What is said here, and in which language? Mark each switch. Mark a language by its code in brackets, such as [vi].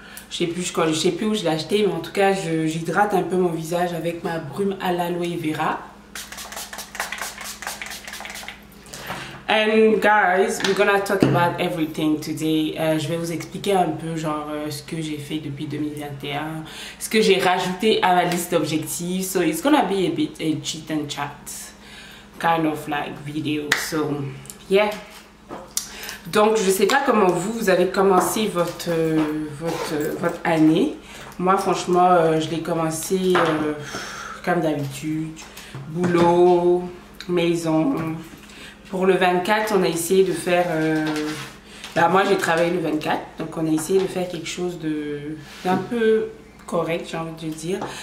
[fr] Je sais plus où je l'ai achetée, mais en tout cas, j'hydrate un peu mon visage avec ma brume à l'aloe vera. [en] And guys, we're gonna talk about everything today. [fr] Je vais vous expliquer un peu ce que j'ai fait depuis 2021, ce que j'ai rajouté à ma liste d'objectifs. [en] So it's gonna be a bit a chit and chat kind of like video. So yeah. [fr] Donc je sais pas comment vous avez commencé votre année. Moi franchement, je l'ai commencé comme d'habitude, boulot, maison. Pour le 24, on a essayé de faire. Moi, j'ai travaillé le 24, donc on a essayé de faire quelque chose d'un peu correct, j'ai envie de dire.